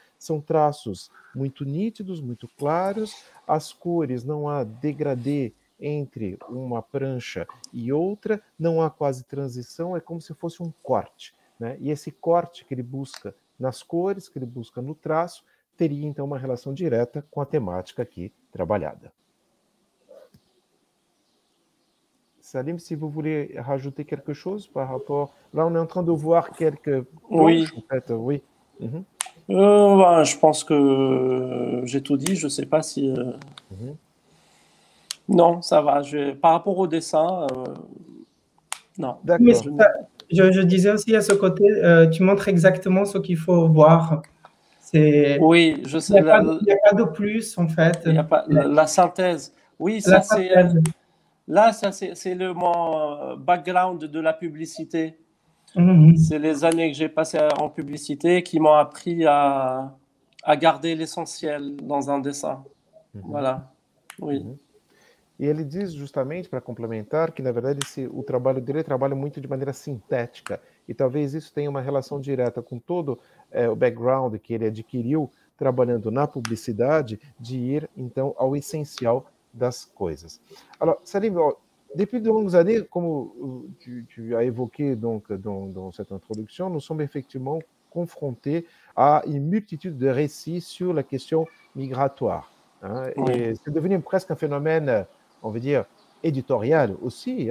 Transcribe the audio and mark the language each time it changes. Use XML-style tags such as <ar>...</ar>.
<pt>São traços muito nítidos, muito claros, as cores, não há degradê entre uma prancha e outra, não há quase transição, é como se fosse um corte, né? E esse corte que ele busca nas cores, que ele busca no traço, teria então uma relação direta com a temática aqui trabalhada.</pt> <fr>Salim, si vous voulez rajouter quelque chose par rapport... Là, on est en train de voir quelques... Oui. En fait, oui. Ben, je pense que j'ai tout dit, je ne sais pas si... Non, ça va. Par rapport au dessin, non. D'accord. Mais ça, je disais aussi à ce côté, tu montres exactement ce qu'il faut voir. Oui, je sais. Il n'y a pas de plus, en fait. Il n'y a pas la synthèse. Oui, ça, la synthèse. C'est le mon background de la publicité. Mm-hmm. C'est les années que j'ai passées en publicité qui m'ont appris à garder l'essentiel dans un dessin. Mm-hmm. Voilà. Oui. Mm-hmm.</fr> <pt>E ele diz justamente, para complementar, que na verdade o trabalho dele trabalha muito de maneira sintética, e talvez isso tenha uma relação direta com todo o background que ele adquiriu trabalhando na publicidade, de ir então ao essencial das coisas.</pt> <fr>Alors, Salim, depuis de longues années, como tu as évoqué donc, dans cette introduction, nous sommes effectivement confrontés à une multitude de récits sur la question migratoire. Hein, et oui. C'est devenu presque un phénomène, on veut dire, éditorial aussi.</fr>